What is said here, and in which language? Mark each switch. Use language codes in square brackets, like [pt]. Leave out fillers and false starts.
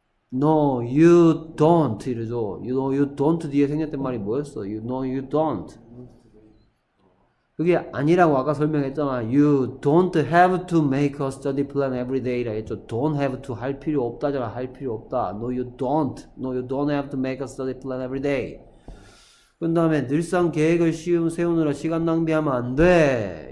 [ko] 너 [en] no, you don't [ko] 이러죠. [en] You know you don't [ko] 뒤에 생겼던 말이 뭐였어? [en] You know you don't. [ko] 그게 아니라고 아까 설명했잖아. [en] You don't have to make a study plan every day [ko] 라 했죠. [en] Don't have to [ko] 할 필요 없다잖아. 할 필요 없다. [en] No you don't. No you don't have to make a study plan every day. [ko] 그 다음에 늘상 계획을 세우느라 시간 낭비하면 안 돼.